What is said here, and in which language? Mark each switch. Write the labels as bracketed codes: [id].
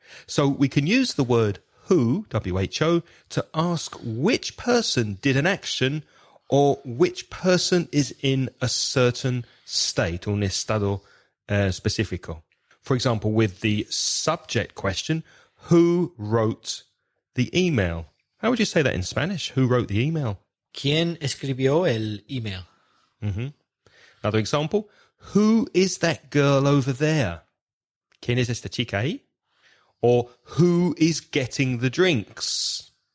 [en] So we can use the word who, W-H-O, to ask which person did an action or which person is in a certain state, [es] un estado específico. [en] For example, with the subject question, who wrote the email? How would you say that in Spanish? Who wrote the email? [es] ¿Quién escribió el email? Mm-hmm. [en] Another example, who is that girl over there? [es] ¿Quién es esta chica ahí? [en] Or who is getting the drinks?